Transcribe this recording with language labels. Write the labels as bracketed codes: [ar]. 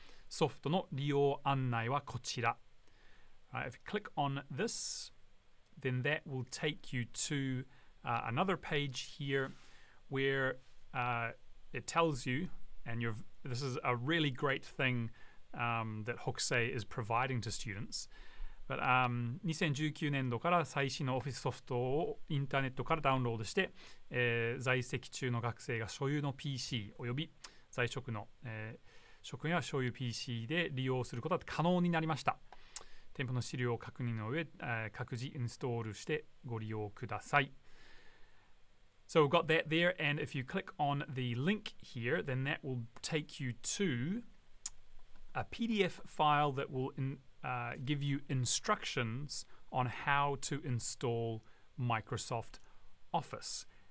[ja] Softo no ryō annai wa kochira. [en] If you click on this, then that will take you to another page here where it tells you, and this is a really great thing that Hooksay is providing to students. But [ja] 2019 年度から最新のオフィスソフトをインターネットからダウンロードして、在籍中の学生が所有の PC および在職の、職員は所有 PC で利用することが可能になりました。店舗の資料を確認の上、各自インストールしてご利用ください。 [en] So we've got that there, and if you click on the link here, then that will take you to a PDF file that will give you instructions on how to install Microsoft Office.